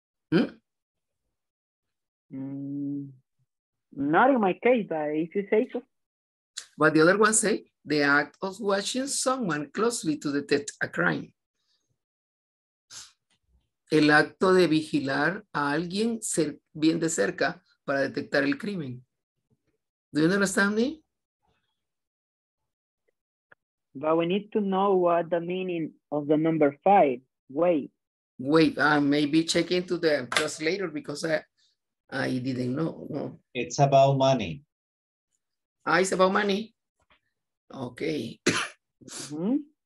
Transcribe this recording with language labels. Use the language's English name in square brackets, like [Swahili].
[English] ¿Mm? Not in my case, but if you say so. But the other one say, the act of watching someone closely to detect a crime. [Spanish] El acto de vigilar a alguien bien de cerca para detectar el crimen. [English] Do you understand me? But we need to know what the meaning of the number five, wait. Wait, I may be checking to the translator because I didn't know. No. It's about money. Ah, it's about money. Okay. Mm-hmm.